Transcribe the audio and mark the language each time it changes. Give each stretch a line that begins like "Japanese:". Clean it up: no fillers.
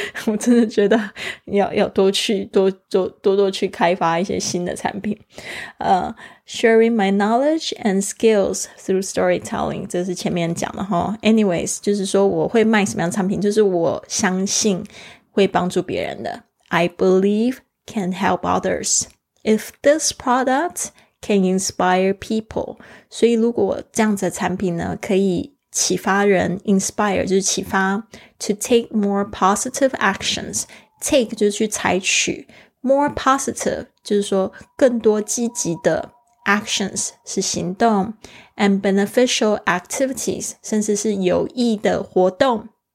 Chinese: 我真的觉得要多去多去开发一些新的产品。
English: Sharing my knowledge and skills through storytelling，
Chinese: 这是前面讲的哈。 Anyways， 就是说我会卖什么样的产品，就是我相信会帮助别人的。
English: I believe can help others. If this product can inspire people，
Chinese: 所以如果这样子的产品呢可以启发人，
English: inspire
Chinese: 就是启发，
English: to take more positive actions， take
Chinese: 就是去采取，
English: more positive
Chinese: 就是说更多积极的
English: actions
Chinese: 是行动，
English: and beneficial activities
Chinese: 甚至是有益的活动，